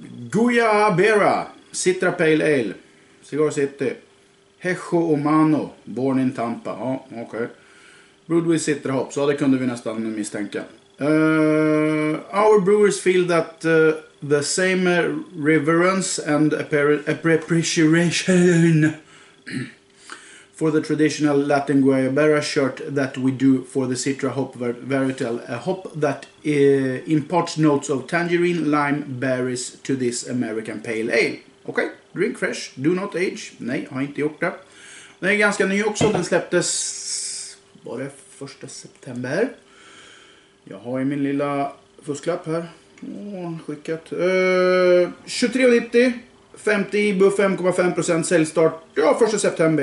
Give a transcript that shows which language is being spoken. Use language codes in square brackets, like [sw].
[en] Guya Bera, Citra Pale Ale, Cigar City, Hecho Humano, Born in Tampa. [sv] Ja, okej. [en] Okay. Brewed with Citra Hop, [sv] så det kunde vi nästan misstänka. [en] Our brewers feel that the same reverence and appreciation... for the traditional Latin Guayabera shirt that we do for the Citra hop varietal, a hop that imparts notes of tangerine, lime, berries to this American pale ale. Okay, drink fresh, do not age. [sv] Nej, har inte gjort det. Den är ganska ny också, den släpptes, var det 1 september? Jag har ju min lilla fusklapp här. Åh, skickat. 23,90. 50 IBU, 5,5% säljstart. Ja, 1 september.